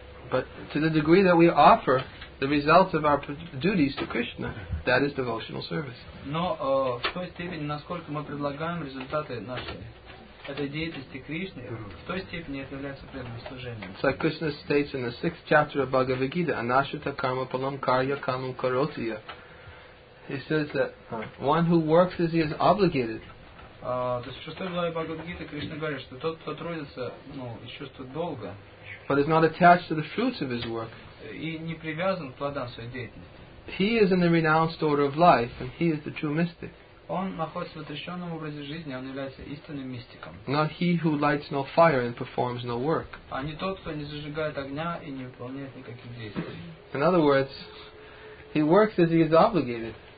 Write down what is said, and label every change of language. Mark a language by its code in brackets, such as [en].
[en] But to the degree that we offer the results of our duties to Krishna, that is devotional service. [ru] Но в той степени, насколько мы предлагаем результаты нашей этой деятельности Кришны, в той степени это является преданным служением. [en] So Krishna states in the 6th chapter of Bhagavad Gita, [sa] Anashita Karma Palam Karya Kamam Karotiya. [en] He says that one who works as he is obligated. [ru] То есть в 6-й главе Бхагавад Гиты Кришна говорит, что тот, кто трудится, ну, и чувствует долга, [en] but is not attached to the fruits of his work, he is in the renounced order of life and he is the true mystic. Not he who lights no fire and performs no work. In other words, he works as he is obligated.